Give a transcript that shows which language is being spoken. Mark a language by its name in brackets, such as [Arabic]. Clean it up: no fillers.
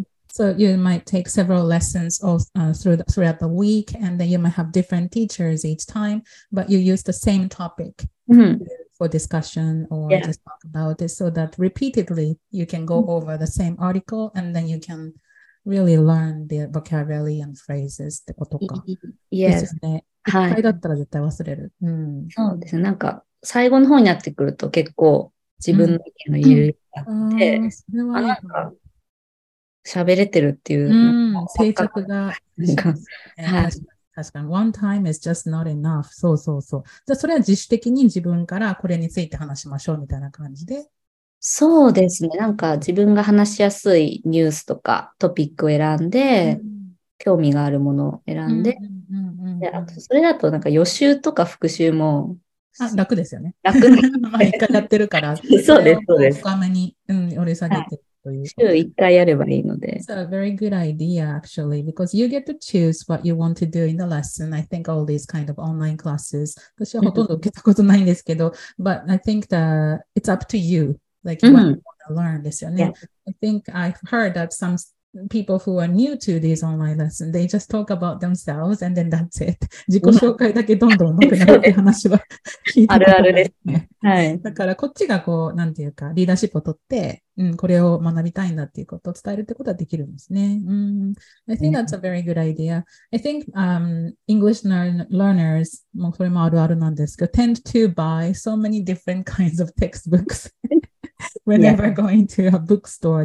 [English] So you might take several lessons all, throughout the week, and then you might have different teachers each time, but you use the same topic for discussion or just talk about it so that repeatedly you can go over the same article and then you can really learn the vocabulary and phrases [Japanese] ってことか。 [English] Yes. [Japanese] 一回だったら絶対忘れる。そうですね。なんか最後の方になってくると結構自分の意見の言うようになって、なんか喋れてるっていう、定着が、ね、確かに [English] one time is just not enough。 [Japanese] そうそうそう。じゃあそれは自主的に自分からこれについて話しましょうみたいな感じで。そうですね。なんか自分が話しやすいニュースとかトピックを選んで、興味があるものを選んで、であとそれだとなんか予習とか復習も。あ、楽ですよね。楽毎回やってるから。そうですそうです。深めに、折り下げて。はい、週1回やればいいので。 [English] It's a very good idea, actually, because you get to choose what you want to do in the lesson. I think all these kind of online classes, [Japanese] 私はほとんど受けたことないんですけど、 [English] but I think that it's up to you, like what you want to learn [Japanese] ですよね。 [English] Yeah. I think I've heard that some people who are new to these online lessons, they just talk about themselves and then that's it. [Japanese] 自己紹介だけどんどん上手くなるって話は聞いてる、ね。あるあるです。はい。だからこっちがこう、なんていうか、リーダーシップを取って、うん、これを学びたいんだっていうことを伝えるってことはできるんですね。 [English] I think that's a very good idea. I think、English learners, [Japanese] もうそれもあるあるなんですけど、 [English] tend to buy so many different kinds of textbooks whenever going to a bookstore.